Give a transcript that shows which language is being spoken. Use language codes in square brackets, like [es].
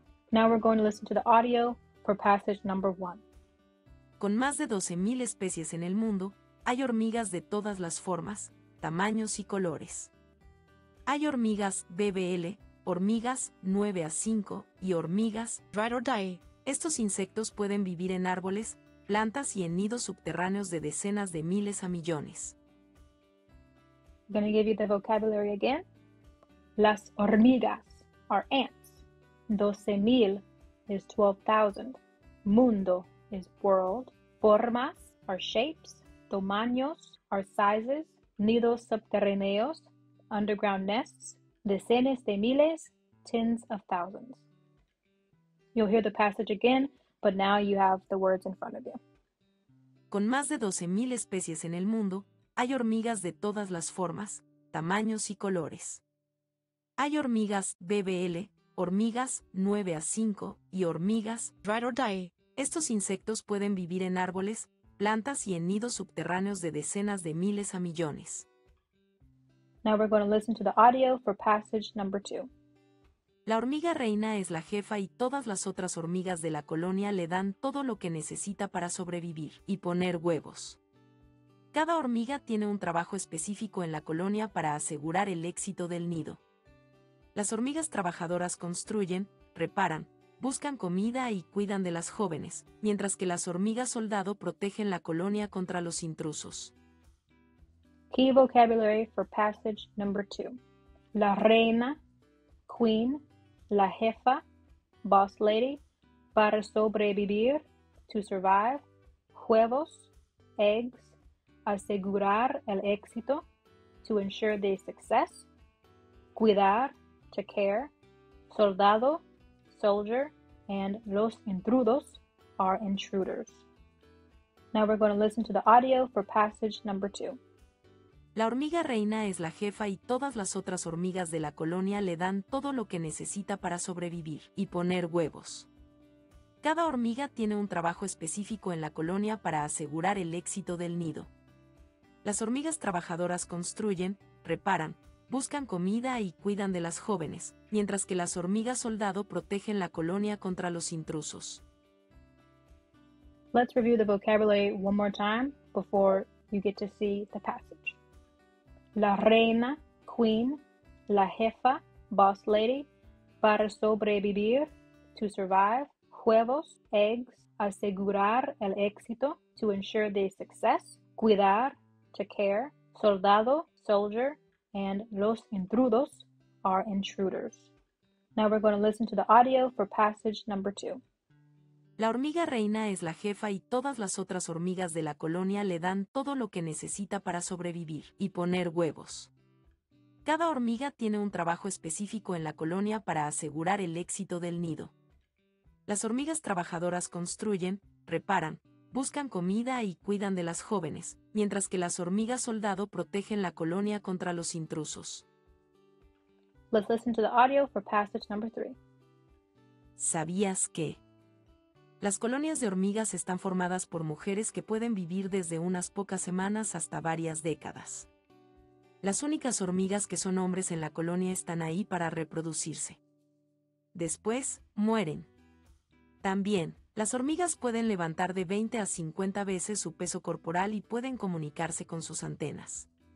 [en] Now we're going to listen to the audio for passage number 1. [es] Con más de 12.000 especies en el mundo, hay hormigas de todas las formas, tamaños y colores. Hay hormigas BBL, hormigas 9 a 5 y hormigas [en] ride or die. [es] Estos insectos pueden vivir en árboles, plantas y en nidos subterráneos de decenas de miles a millones. [en] I'm going to give you the vocabulary again. Las hormigas are ants. 12,000 is 12,000. Mundo is world. Formas are shapes. Tamaños are sizes. Nidos subterráneos, underground nests, decenas de miles, tens of thousands. You'll hear the passage again, but now you have the words in front of you. [es] Con más de 12.000 especies en el mundo, hay hormigas de todas las formas, tamaños y colores. Hay hormigas BBL, hormigas 9 a 5 y hormigas [en] ride or die. [es] Estos insectos pueden vivir en árboles, plantas y en nidos subterráneos de decenas de miles a millones. [en] Now we're going to listen to the audio for passage number 2. [es] La hormiga reina es la jefa y todas las otras hormigas de la colonia le dan todo lo que necesita para sobrevivir y poner huevos. Cada hormiga tiene un trabajo específico en la colonia para asegurar el éxito del nido. Las hormigas trabajadoras construyen, reparan, buscan comida y cuidan de las jóvenes, mientras que las hormigas soldado protegen la colonia contra los intrusos. [en] Key vocabulary for passage number 2. La reina, queen, la jefa, boss lady, para sobrevivir, to survive, huevos, eggs, asegurar el éxito, to ensure the success, cuidar, to care, soldado, soldier, and los intrudos are intruders. Now we're going to listen to the audio for passage number 2. [es] La hormiga reina es la jefa y todas las otras hormigas de la colonia le dan todo lo que necesita para sobrevivir y poner huevos. Cada hormiga tiene un trabajo específico en la colonia para asegurar el éxito del nido. Las hormigas trabajadoras construyen, reparan, buscan comida y cuidan de las jóvenes, mientras que las hormigas soldado protegen la colonia contra los intrusos. [en] Let's review the vocabulary one more time before you get to see the passage. La reina, queen, la jefa, boss lady, para sobrevivir, to survive, huevos, eggs, asegurar el éxito, to ensure the success, cuidar, to care, soldado, soldier, and los intrudos are intruders. Now we're going to listen to the audio for passage number 2. [es] La hormiga reina es la jefa y todas las otras hormigas de la colonia le dan todo lo que necesita para sobrevivir y poner huevos. Cada hormiga tiene un trabajo específico en la colonia para asegurar el éxito del nido. Las hormigas trabajadoras construyen, reparan, buscan comida y cuidan de las jóvenes, mientras que las hormigas soldado protegen la colonia contra los intrusos. [en] Let's listen to the audio for passage number 3. [es] ¿Sabías que? Las colonias de hormigas están formadas por mujeres que pueden vivir desde unas pocas semanas hasta varias décadas. Las únicas hormigas que son hombres en la colonia están ahí para reproducirse. Después, mueren. También, las hormigas pueden levantar de 20 a 50 veces su peso corporal y pueden comunicarse con sus antenas.